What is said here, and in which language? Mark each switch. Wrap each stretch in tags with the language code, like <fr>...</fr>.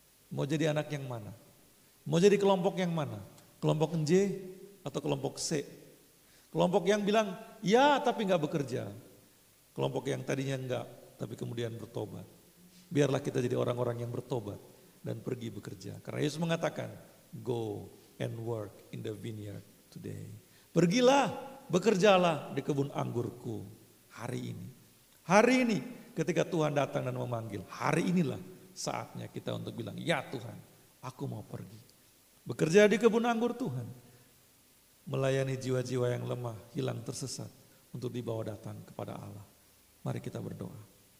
<id>Mau jadi anak yang mana? Mau jadi kelompok yang mana? Kelompok J atau kelompok C? Kelompok yang bilang, ya tapi gak bekerja. Kelompok yang tadinya enggak, tapi kemudian bertobat. Biarlah kita jadi orang-orang yang bertobat dan pergi bekerja. Karena Yesus mengatakan,</id> <en>go and work in the vineyard today.</en> <id>Pergilah, bekerjalah di kebun anggurku hari ini. Hari ini ketika Tuhan datang dan memanggil, hari inilah saatnya kita untuk bilang, ya Tuhan, aku mau pergi. Bekerja di kebun anggur Tuhan. Melayani jiwa-jiwa yang lemah, hilang, tersesat untuk dibawa datang kepada Allah. Mari kita berdoa.</id>